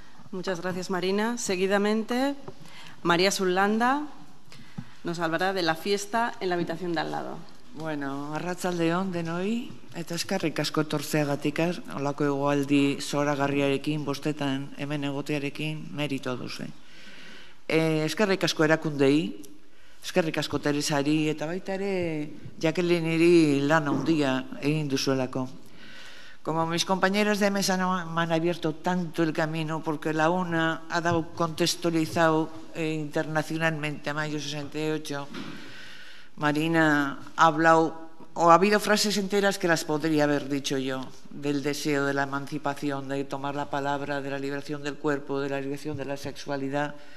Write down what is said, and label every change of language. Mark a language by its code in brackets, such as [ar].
[es] Muchas gracias, Marina. Seguidamente, María Sullanda nos hablará de la fiesta en la habitación de al lado. [eu] Bueno, arratsaldeon denoi, eta eskerrik asko etortzeagatik, holako egoaldi zoragarriarekin, bostetan hemen egotearekin, merito duzu. Eskerrik asko erakundei, eskerrik asko Teresari, eta baita ere Jakelineri lan handia egin duzuelako. [es] Como mis compañeras de mesa no me han abierto tanto el camino, porque la una ha dado contextualizado internacionalmente a mayo 68, Marina ha hablado, o ha habido frases enteras que las podría haber dicho yo, del deseo de la emancipación, de tomar la palabra, de la liberación del cuerpo, de la liberación de la sexualidad.